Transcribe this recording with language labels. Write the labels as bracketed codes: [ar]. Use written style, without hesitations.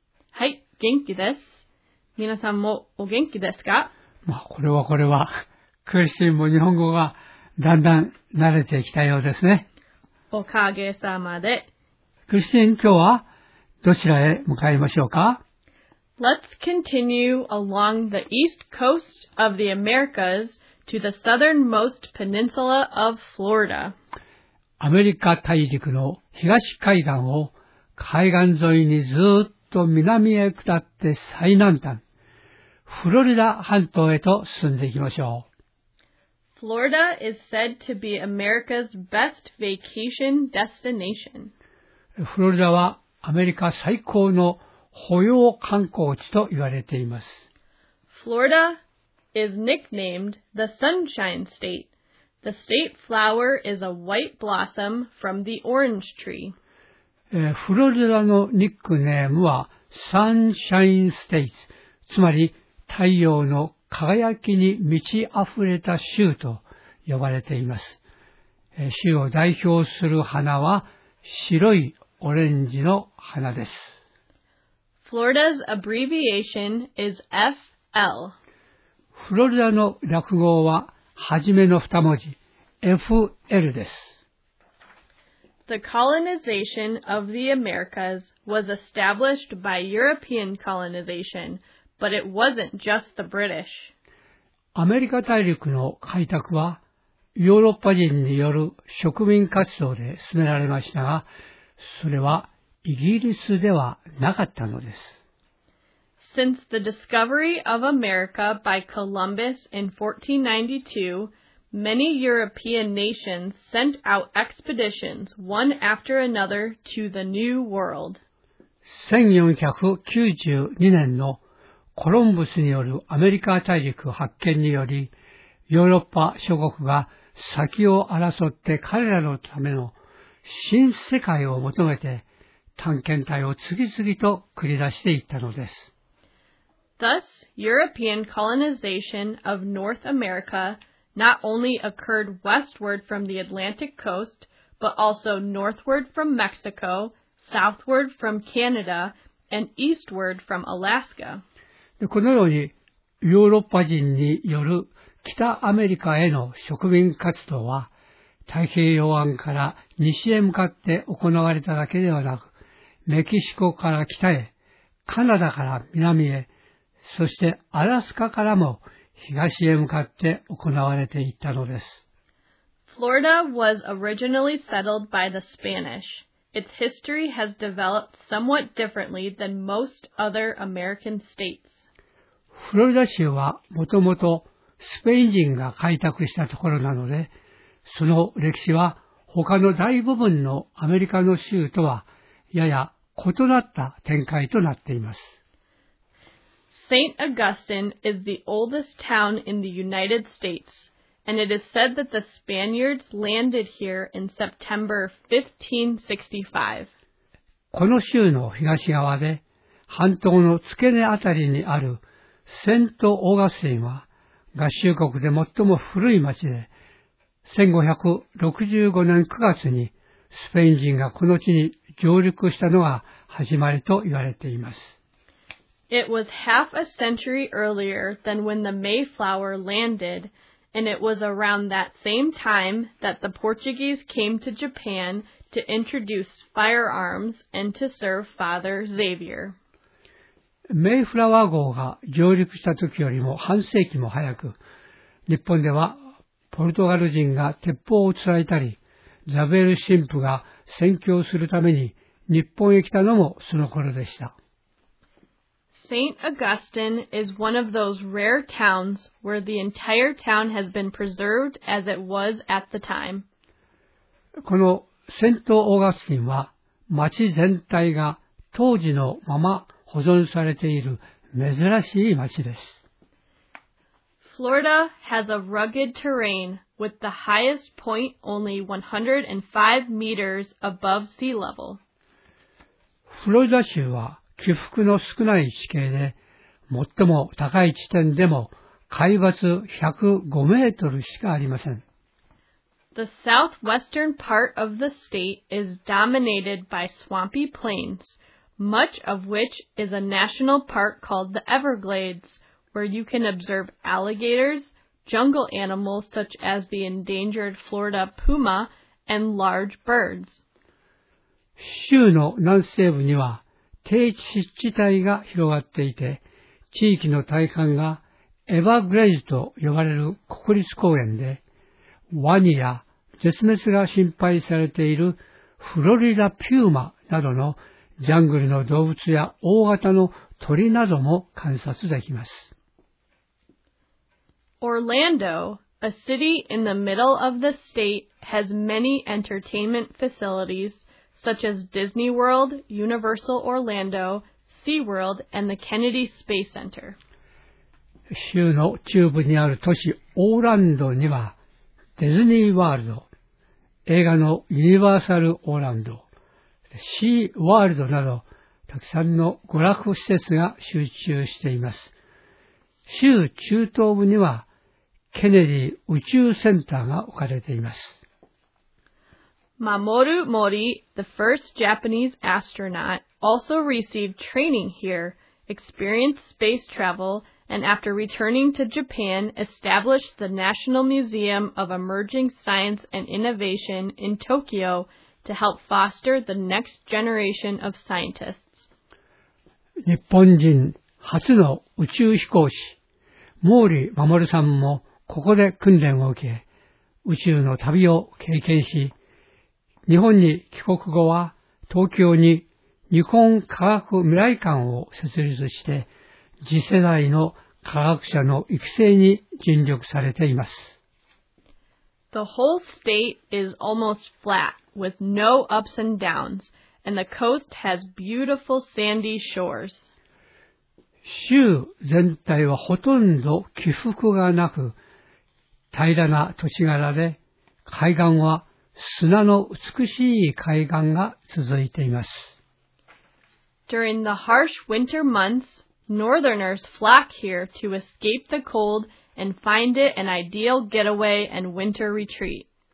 [ja] はい、元気です。皆さんもお元気ですか。まあこれはこれは、クリスティーンも日本語がだんだん慣れてきたようですね。おかげさまで。クリスティーン、今日はどちらへ向かいましょうか。 [en] Let's continue along the east coast of the Americas to the southernmost peninsula of Florida. [ja] アメリカ大陸の東海岸を海岸沿いにずっと南へ下って最南端、フロリダ半島へと進んでいきましょう。 [en] Florida is said to be America's best vacation destination. [ja] フロリダはアメリカ最高の保養観光地と言われています。 [en] Florida is nicknamed the Sunshine State. The state flower is a white blossom from the orange tree. [ja] フロリダのニックネームは Sunshine State、 つまり太陽の輝きに満ち溢れた州と呼ばれています。州を代表する花は白いオレンジの花です。 [en] Florida's abbreviation is FL. [ja] フロリダの略語は初めの二文字 FL です。 [en] The colonization of the Americas was established by European colonization, but it wasn't just the British. [ja] アメリカ大陸の開拓はヨーロッパ人による植民活動で進められましたが、それはイギリスではなかったのです。 [en] Since the discovery of America by Columbus in 1492, many European nations sent out expeditions one after another to the New World. [ja] 1492年のコロンブスによるアメリカ大陸発見により、ヨーロッパ諸国が先を争って彼らのための新世界を求めて探検隊を次々と繰り出していったのです。 [en] Thus, European colonization of North America not only occurred westward from the Atlantic coast, but also northward from Mexico, southward from Canada, and eastward from Alaska. [ja] で、このようにヨーロッパ人による北アメリカへの植民活動は太平洋岸から西へ向かって行われただけではなく、メキシコから北へ、カナダから南へ、そしてアラスカからも東へ向かって行われていったのです。 [en] Florida was originally settled by the Spanish. Its history has developed somewhat differently than most other American states. [ja] フロリダ州はもともとスペイン人が開拓したところなので、その歴史は他の大部分のアメリカの州とはやや異なった展開となっています。 [en] Saint Augustine is the oldest town in the United States, and it is said that the Spaniards landed here in September 1565. [ja] この州の東側で、半島の付け根あたりにあるセント・オーガスティンは、合衆国で最も古い町で、1565年9月にスペイン人がこの地に上陸したのが始まりと言われています。 [en] It was half a century earlier than when the Mayflower landed, and it was around that same time that the Portuguese came to Japan to introduce firearms and to serve Father Xavier. [ja] メイフラワー号が上陸した時よりも半世紀も早く、日本ではポルトガル人が鉄砲を伝えたり、ザベル神父が宣教するために日本へ来たのもその頃でした。 [en] Saint Augustine is one of those rare towns where the entire town has been preserved as it was at the time. [ja] このセント・オーガスティンは町全体が当時のまま保存されている珍しい町です。 [en] Florida has a rugged terrain with the highest point only 105 meters above sea level. [ja] フロリダ州は起伏の少ない地形で、最も高い地点でも海抜105メートルしかありません。 [en] The southwestern part of the state is dominated by swampy plains, much of which is a national park called the Everglades, where you can observe alligators, jungle animals such as the endangered Florida puma, and large birds. [ja] 州の南西部には低湿地帯が広がっていて、地域の大半がエバーグレイズと呼ばれる国立公園で、ワニや絶滅が心配されているフロリダピューマなどのジャングルの動物や大型の鳥なども観察できます。 [en] Orlando, a city in the middle of the state, has many entertainment facilities. such as Disney World, Universal Orlando, SeaWorld, and the Kennedy Space Center. [ja] 州の中部にある都市オーランドにはディズニーワールド、映画のユニバーサルオーランド、シーワールドなどたくさんの娯楽施設が集中しています。州中東部にはケネディ宇宙センターが置かれています。 [en] Mamoru Mori, the first Japanese astronaut, also received training here, experienced space travel, and after returning to Japan, established the National Museum of Emerging Science and Innovation in Tokyo to help foster the next generation of scientists. [ja] 日本人初の宇宙飛行士、毛利衛さんもここで訓練を受け、宇宙の旅を経験し、日本に帰国後は東京に日本科学未来館を設立して次世代の科学者の育成に尽力されています。 [en] The whole state is almost flat with no ups and downs, and the coast has beautiful sandy shores. [ja] 州全体はほとんど起伏がなく、平らな土地柄で海岸は砂の美しい海岸が続いています。 [en] During the harsh winter months, northerners flock here to escape the cold and find it an ideal getaway and winter retreat.